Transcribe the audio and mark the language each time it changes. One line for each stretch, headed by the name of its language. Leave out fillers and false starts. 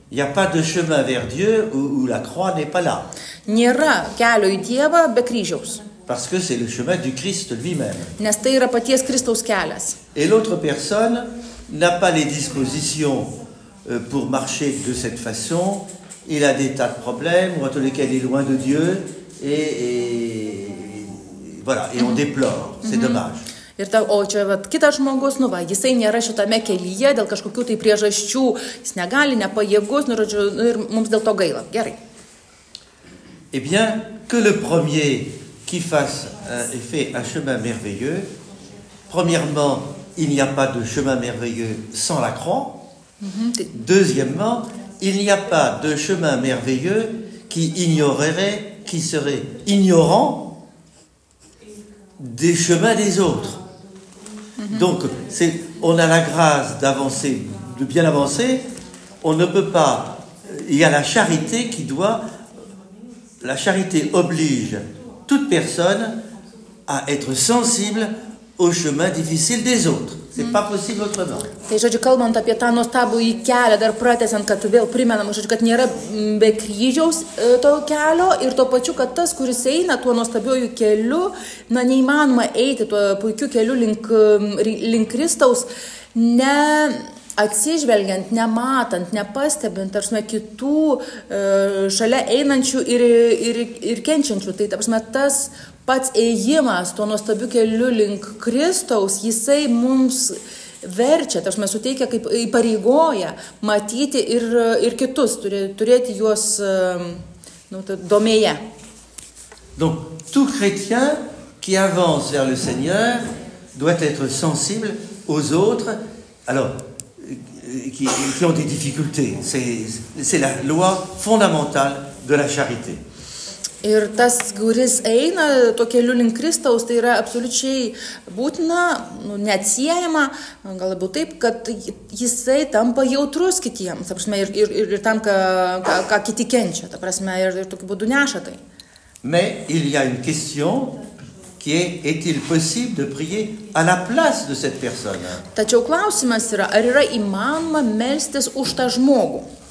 French: Il y a pas de chemin vers Dieu où la croix n'est pas là.
Lithuanian: Nėra kelio į Dievą be kryžiaus.
French: Parce que c'est le chemin du Christ lui-même.
Lithuanian: Nes tai yra paties Kristaus kelias.
French: Et l'autre personne n'a pas les dispositions pour marcher de cette façon, il a des tas de problèmes, ou à tous les cas, il est loin de Dieu. Et on déplore, c'est dommage.
Lithuanian: Ir ta, o čia vat, kitas žmogus, nu va, jisai nėra šitame kelyje dėl kažkokių tai priežasčių, jis negali, nepajėgus, nu, žodžiu, nu, ir mums dėl to gaila. Gerai.
French: Eh bien, que le premier qui fasse et fait un chemin merveilleux, premièrement, il n'y a pas de chemin merveilleux sans la croix. Deuxièmement, il n'y a pas de chemin merveilleux qui serait ignorant des chemins des autres. Donc, on a la grâce d'avancer, de bien avancer, on ne peut pas... Il y a la charité qui doit... La charité oblige toute personne à être sensible au chemin difficile des autres. C'est pas possible autrement.
Lithuanian: Tai, žodžiu, kalbant apie tą nuostabų į kelią, dar pratesiant, kad vėl primenam, žodžiu, kad nėra be kryžiaus to kelio ir to pačiu, kad tas, kuris eina tuo nuostabiuoju keliu, na, neįmanoma eiti tuo puikiu keliu link Kristaus, ne atsižvelgiant, nematant, nepastebint, ar sumai, kitų šalia einančių ir kenčiančių. Tai, tarsime, tas pats ėjimas tuo nuostabiu keliu link Kristaus, jisai mums verčia, tai aš mes suteikia kaip įpareigoja matyti ir kitus, turėti juos domėje.
French: Donc, tout chrétien qui avance vers le Seigneur doit être sensible aux autres, alors, qui ont des difficultés. C'est la loi fondamentale de la charité.
Lithuanian: Ir tas, kuris eina tuo keliu link Kristaus, tai yra absoliučiai būtina, nu, neatsiejama, galbūt taip, kad jisai tampa jautrus kitiems, ta prasme, ir tam, ką kiti kenčia, ta prasme, ir tokiu būdu neša tai.
French: Mais il y a une question qui est-il possible de prier à la place de cette personne?
Lithuanian: Tačiau klausimas yra, ar yra įmanoma melstis už tą žmogų?